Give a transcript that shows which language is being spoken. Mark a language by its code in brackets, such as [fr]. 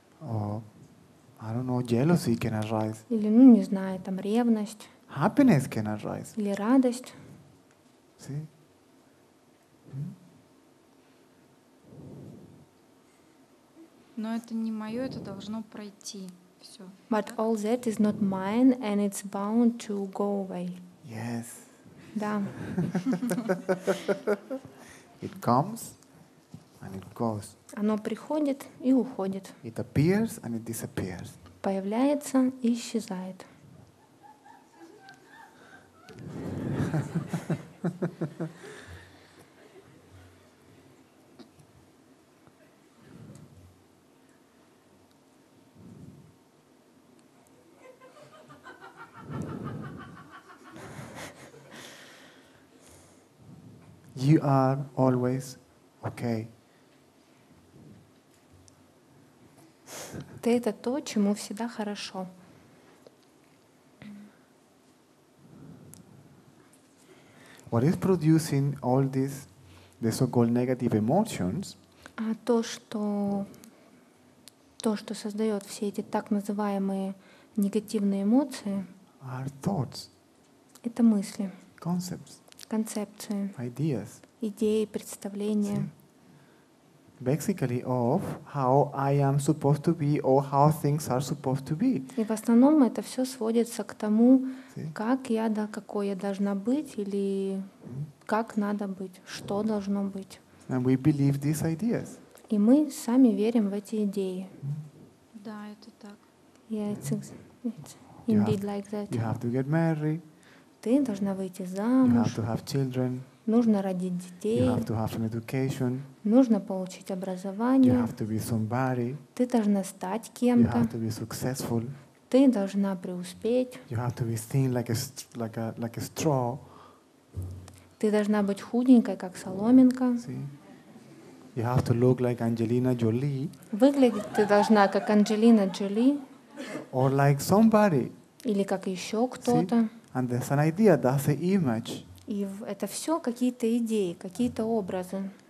[en] Or, I don't know, jealousy can arise. [ru] Или, ну, не знаю, там, ревность. [en] Happiness can arise. [ru] Или радость. Но это не мое, это должно пройти. Все. [en] But all that is not mine and it's bound to go away. Yes. [ru] Да. [en] It comes and it goes. [ru] Оно приходит и уходит. [en] It appears and it disappears. [ru] Появляется и исчезает. [en] You are always okay. [ru] Ты это то, чему всегда хорошо. [en] What is producing all these the so-called negative emotions? [ru] А то, что создает все эти так называемые негативные эмоции? [en] Are thoughts. [ru] Это мысли. [en] Concepts. [ru] Концепции. [en] Ideas. [ru] Идеи, представления. [en] Basically of how I am supposed to be or how things are supposed to be. [ru] И в основном это все сводится к тому, как я, да, какой я должна быть или как надо быть, что должно быть. [en] And we believe these ideas. [ru] И мы сами верим в эти идеи. Да, это так. [en] Yeah, it's indeed like that. You have to get married. [ru] Ты должна выйти замуж. [en] You have to have children. [ru] Нужно родить детей. [en] You have to have an education. [ru] Нужно получить образование. [en] You have to be somebody. [ru] Ты должна стать кем-то. [en] You have to be successful. [ru] Ты должна преуспеть. [en] You have to be thin like a straw. [ru] Ты должна быть худенькой, как соломинка. [en] See? You have to look like Angelina Jolie. [ru] Выглядеть ты должна как Анджелина Джоли. [en] Or like somebody. [ru] Или как еще кто-то. [en] See? And there's an idea, that's an image. [ru] И это все какие-то идеи, какие-то образы.